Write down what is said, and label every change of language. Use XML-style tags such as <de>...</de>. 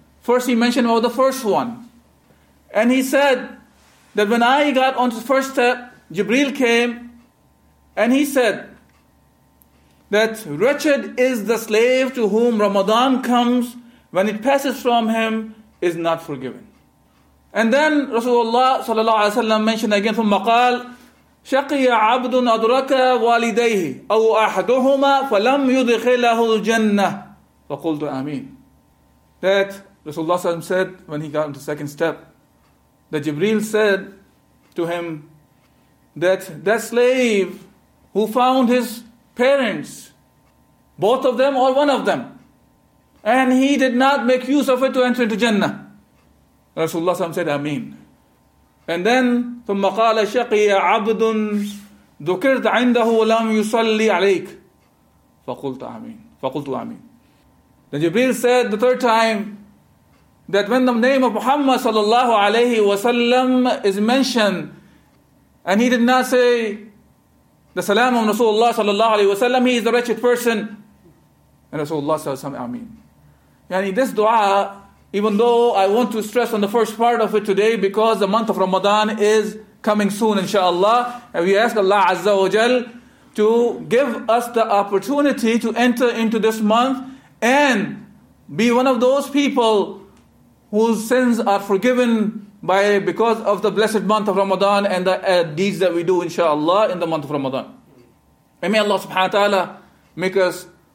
<en>First he mentioned about the first one. And he said that when I got onto the first step, Jibreel came and he said that wretched is the slave to whom Ramadan comes, when it passes from him, is not forgiven. And then Rasulullah sallallahu alaihi wasallam mentioned again,</en> <ar>ثم قال شقي عبد أدرك والديه أو أحدهما فلم يدخله الجنة فقلت آمين.</ar> <en>That Rasulullah sallallahu alaihi wasallam said when he got onto the second step, that Jibreel said to him that that slave who found his parents, both of them or one of them, and he did not make use of it to enter into Jannah. Rasulullah said, Ameen. And then,</en> <ar>ثم قال شقي عبد ذكرت عنده ولم يصلي عليك فقلت آمين. فقلت آمين.</ar> <en>Then Jibreel said the third time, that when the name of Muhammad sallallahu alayhi wa sallam is mentioned and he did not say the salam of Rasulullah sallallahu alayhi wa sallam, he is a wretched person. And Rasulullah sallallahu alayhi wa sallam, ameen. Yani this dua, even though I want to stress on the first part of it today because the month of Ramadan is coming soon inshallah, and we ask Allah azza wa jal to give us the opportunity to enter into this month and be one of those people whose sins are forgiven by because of the blessed month of Ramadan and the deeds that we do, inshallah, in the month of Ramadan. And may Allah subhanahu wa ta'ala make us</en>